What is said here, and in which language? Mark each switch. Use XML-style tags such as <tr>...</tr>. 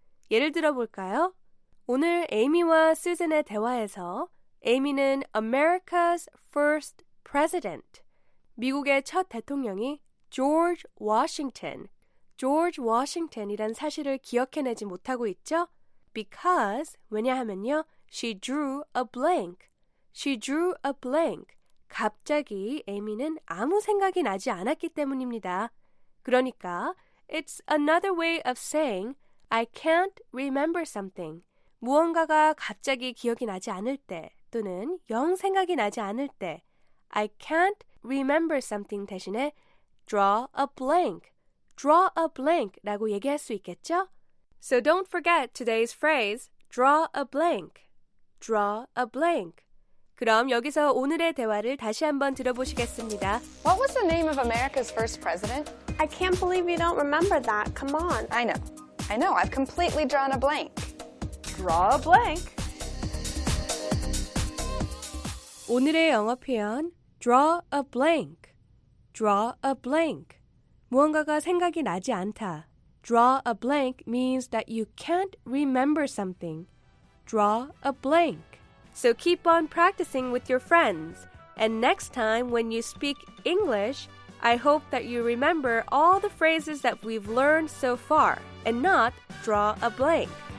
<ko>예를 들어볼까요? 오늘 에이미와 수잔의 대화에서 에이미는</ko> <en>America's first president,</en> <ko>미국의 첫 대통령이 George Washington이란 사실을 기억해내지 못하고 있죠?</ko> <en>Because,</en> <ko>왜냐하면요,</ko> <en>She drew a blank. She drew a blank.</en> <ko>갑자기 에이미는 아무 생각이 나지 않았기 때문입니다. 그러니까</ko> <en>It's another way of saying I can't remember something.</en> <ko>무언가가 갑자기 기억이 나지 않을 때 또는 영 생각이 나지 않을 때</ko> <en>I can't remember something</en> <ko>대신에</ko> <en>draw a blank. Draw a blank</en> <ko>라고 얘기할 수 있겠죠?</ko> <en>So don't forget today's phrase draw a blank. Draw a blank.</en> <ko>그럼 여기서 오늘의 대화를 다시 한번 들어보시겠습니다.</ko> <en>What was the name of America's first president? I can't believe you don't remember that. Come on. I know. I've completely drawn a blank. Draw a blank.</en> <ko>오늘의 영어 표현,</ko> <en>draw a blank. Draw a blank.</en> <ko>무언가가 생각이 나지 않다.</ko> <en>Draw a blank means that you can't remember something. Draw a blank. So keep on practicing with your friends. And next time when you speak English, I hope that you remember all the phrases that we've learned so far and not draw a blank.</en>